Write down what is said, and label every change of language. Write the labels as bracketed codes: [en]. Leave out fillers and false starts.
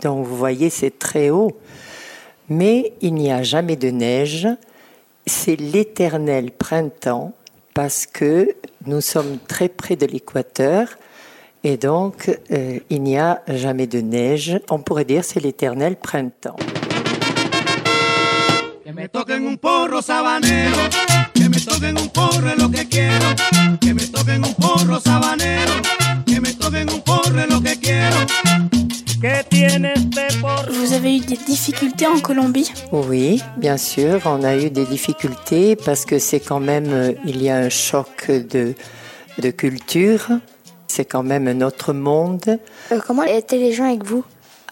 [fr] Donc vous voyez, c'est très haut. Mais il n'y a jamais de neige. C'est l'éternel printemps parce que nous sommes très près de l'équateur. Et donc, il n'y a jamais de neige. On pourrait dire que c'est l'éternel printemps. [es] Que me toquen un porro sabanero, que me toquen un porro lo que quiero. Que me toquen un porro sabanero, que me toquen un porro lo que quiero. Que tiene este porro. [fr] Vous avez eu des difficultés en Colombie ? Oui, bien sûr, on a eu des difficultés parce que c'est quand même, il y a un choc de culture. C'est quand même un autre monde. Comment étaient les gens avec vous ?